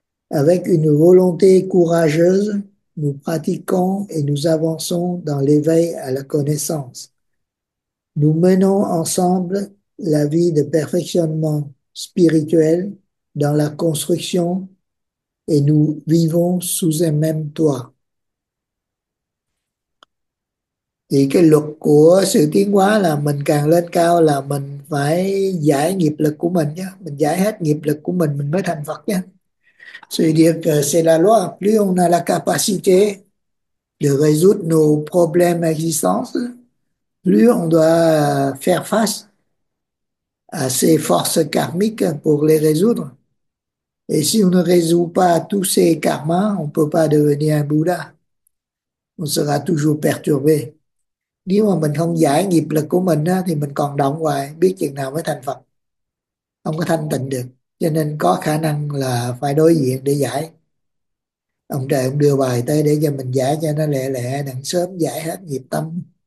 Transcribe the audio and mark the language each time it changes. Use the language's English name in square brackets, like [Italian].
[French] Avec une volonté courageuse, nous pratiquons et nous avançons dans l'éveil à la connaissance. ensemble la vie de perfectionnement spirituel dans la construction et nous vivons sous un même toit. [Vietnamese] Thì cái luật của sự tiến hóa là mình càng lên cao là mình phải giải nghiệp lực của mình nhé. Mình giải hết nghiệp lực của mình mới thành Phật nhé. Suy đi [French] que c'est la loi, plus on a la capacité de résoudre nos problèmes existants, plus on doit faire face à ces forces karmiques pour les résoudre. Et si on ne résout pas tous ces karmas, on ne peut pas devenir un Bouddha. On sera toujours perturbé. [Vietnamese] Nếu mà mình không giải nghiệp lực của mình á, thì mình còn động hoài, biết chừng nào mới thành Phật. Không có thanh tịnh được. Cho nên có khả năng là phải đối diện để giải. Ông trời ông đưa bài tới để cho mình giải cho nó lẹ lẹ, đặng sớm giải hết nghiệp tâm.